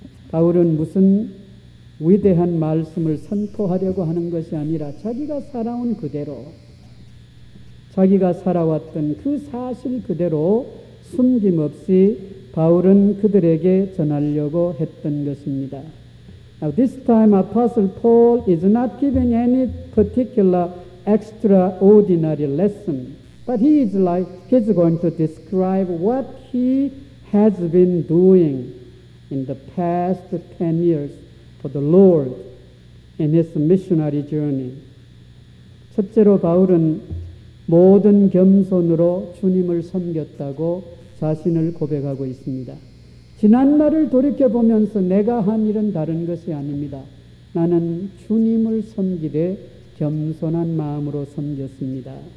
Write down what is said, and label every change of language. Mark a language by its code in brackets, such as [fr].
[ko] 바울은 무슨 위대한 말씀을 선포하려고 하는 것이 아니라 자기가 살아온 그대로 자기가 살아왔던 그 사실 그대로 숨김없이 바울은 그들에게 전하려고 했던 것입니다. [en] Now this time Apostle Paul is not giving any particular extraordinary lesson, but he's going to describe what he has been doing in the past 10 years for the Lord in his missionary journey. [ko] 첫째로 바울은 모든 겸손으로 주님을 섬겼다고 자신을 고백하고 있습니다. 지난 날을 돌이켜보면서 내가 한 일은 다른 것이 아닙니다. 나는 주님을 섬기되 겸손한 마음으로 섬겼습니다.